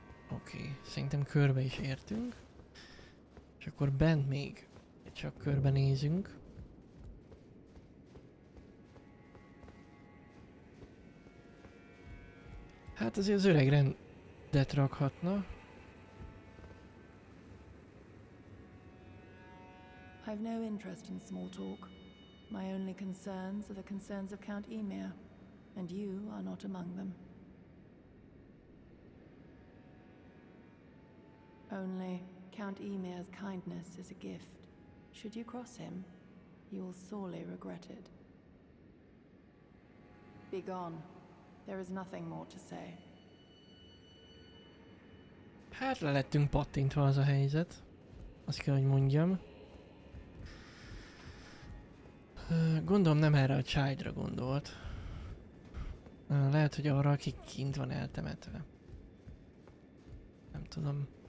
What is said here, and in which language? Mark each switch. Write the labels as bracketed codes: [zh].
[hu] Oké, szerintem körbe is értünk. És akkor bent még csak körbe nézünk. Hát azért az öreg rendet rakhatna. [en] I've no interest in small talk. My only concerns are the concerns of Count Emir, and you are not among them. Only Count Emir's kindness is a gift. Should you cross him, you will sorely regret it. Be gone. There is nothing more to say. [hu] Hát le lettünk pattintva az a helyzet. Azt kell, hogy mondjam. Gondolom nem erre a Childre gondolt. Lehet, hogy arra, aki kint van eltemetve. Nem tudom.